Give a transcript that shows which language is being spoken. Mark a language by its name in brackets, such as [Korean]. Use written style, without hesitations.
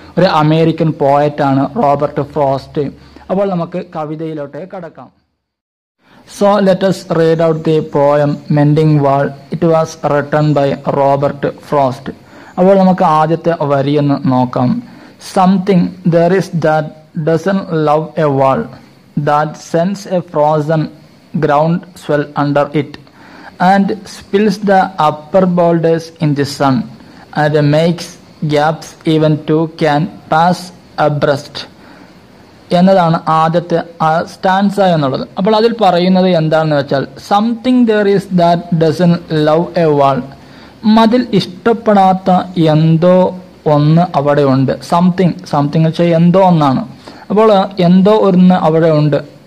[Malayalam] ഒരു American poet ആണ് Robert frost. അപ്പോൾ നമുക്ക് കവിതയിലോട്ടേ കടക്കാം. [English] So let us read out the poem mending wall. It was written by Robert Frost. [Malayalam] അപ്പോൾ നമുക്ക് ആദ്യത്തെ വരിയൊന്ന് നോക്കാം. [English] Something there is that doesn't love a wall, that sends a frozen ground swell under it and spills the upper boulders in the sun and makes gaps even two can pass abreast. [Malayalam] എന്നതാണ് ആദ്യത്തെ stanza എന്നുള്ളത്. അപ്പോൾ അതിൽ പറയുന്നത് എന്താണെന്ന് വെച്ചാൽ, [English] something there is that doesn't love a wall, [Malayalam] മതിൽ ഇഷ്ടപ്പെടാത്ത എന്തോ ഒന്ന് അവിടെ ഉണ്ട്. സംതിങ് സംതിങ് വെച്ചാൽ എന്തോ ഒന്നാണ്. അപ്പോൾ എന്തോ ഒന്ന് അവിടെ ഉണ്ട്.